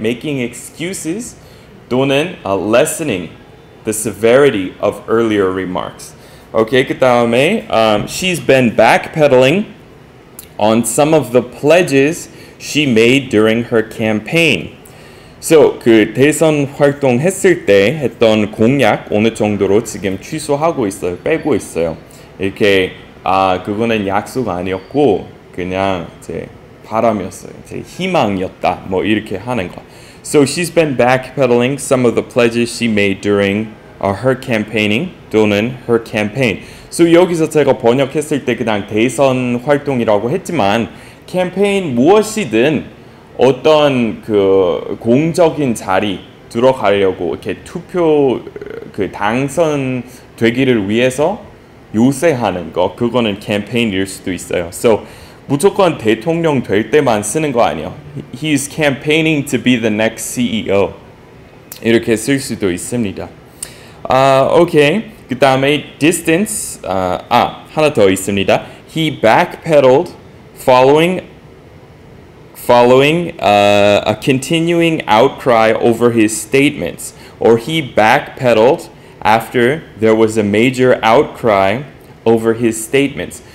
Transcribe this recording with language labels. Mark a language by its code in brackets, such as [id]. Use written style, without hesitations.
[en] Making excuses 또는 lessening the severity of earlier remarks. Okay, [ko] 그 다음에 [en] she's been backpedaling on some of the pledges she made during her campaign. [ko] So, 그 대선 활동 했을 때 했던 공약 어느 정도로 지금 취소하고 있어요, 빼고 있어요. 이렇게 아 그거는 약속 아니었고 그냥 제 바람이었어요, 제 희망이었다 뭐 이렇게 하는 거. [en] So she's been backpedaling some of the pledges she made during her campaigning 또는 her campaign. [ko] So 여기서 제가 번역했을 때 그냥 대선 활동이라고 했지만 캠페인 무엇이든. 어떤 그 공적인 자리 들어가려고 이렇게 투표 그 당선 되기를 위해서 요새하는 거 그거는 캠페인일 수도 있어요. So 무조건 대통령 될 때만 쓰는 거 아니에요. [en] He is campaigning to be the next CEO. [ko] 이렇게 쓸 수도 있습니다. 아, okay. 그다음에 distance 하나 더 있습니다. [en] He backpedaled following a continuing outcry over his statements, or he backpedaled after there was a major outcry over his statements.